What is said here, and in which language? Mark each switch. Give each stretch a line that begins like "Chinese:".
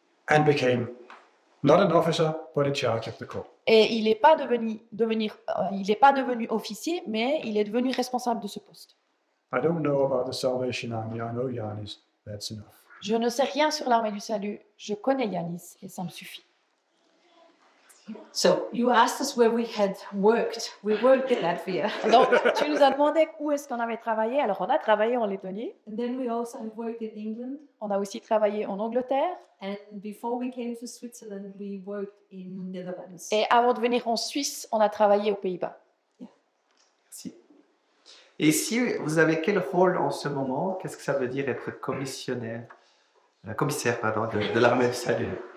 English: And became not an officer, but in charge of the corps.
French: Et il n'est pas devenu officier, mais il est devenu responsable de ce poste.
English: I don't know about the Salvation Army. I know Yanis. That's enough.
French: Je ne sais rien sur l'armée du salut. Je connais Yanis et ça me suffit.
English: So you asked us where we had worked. We worked in Latvia.
French: Donc tu nous as demandé où est-ce qu'on avait travaillé. Alors on a travaillé en Lettonie.
English: And then we also worked in England.
French: On a aussi travaillé en Angleterre.
English: And before we came to Switzerland, we worked in Netherlands.
French: Et avant de venir en Suisse, on a travaillé aux Pays-Bas. Yeah. Si. Et si vous avez quel rôle en ce moment? Qu'est-ce que ça veut dire être commissaire de l'armée du salut?